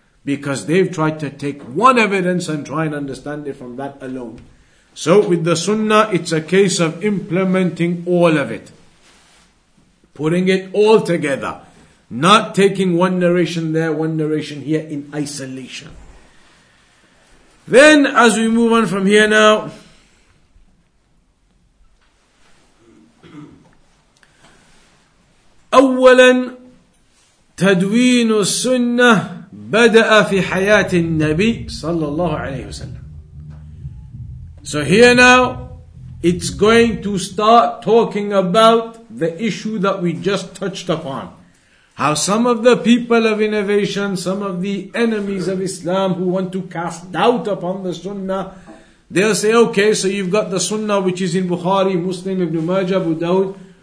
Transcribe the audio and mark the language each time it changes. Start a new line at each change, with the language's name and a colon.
English: Because they've tried to take one evidence and try and understand it from that alone. So with the sunnah, it's a case of implementing all of it. Putting it all together. Not taking one narration there, one narration here in isolation. Then as we move on from here now,
Arabic: أولا تدوين السنة بدأ في حياة النبي صلى الله عليه وسلم.
English: So here now, it's going to start talking about the issue that we just touched upon. How some of the people of innovation, some of the enemies of Islam who want to cast doubt upon the sunnah, they'll say, okay, so you've got the sunnah which is in Bukhari, Muslim, Ibn Majah, Abu Dawud.